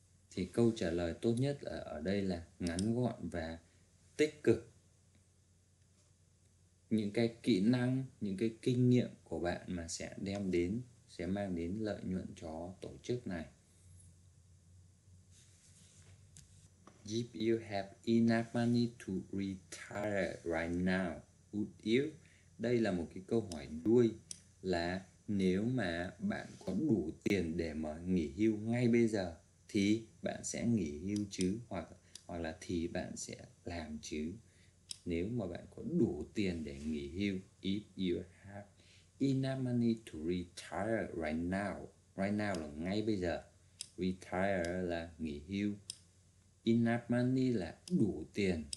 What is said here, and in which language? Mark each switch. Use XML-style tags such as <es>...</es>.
<vi>Thì câu trả lời tốt nhất ở đây là ngắn gọn và tích cực. Những cái kỹ năng, những cái kinh nghiệm của bạn mà sẽ mang đến lợi nhuận cho tổ chức này.</vi> <en>If you have enough money to retire right now, would you?</en> <vi>Đây là một cái câu hỏi đuôi, là nếu mà bạn có đủ tiền để mà nghỉ hưu ngay bây giờ thì bạn sẽ nghỉ hưu chứ, hoặc là thì bạn sẽ làm chứ. Nếu mà bạn có đủ tiền để nghỉ hưu,</vi> <en>if you have enough money to retire right now</en> <vi>là ngay bây giờ, retire là nghỉ hưu, enough money là đủ tiền.</vi>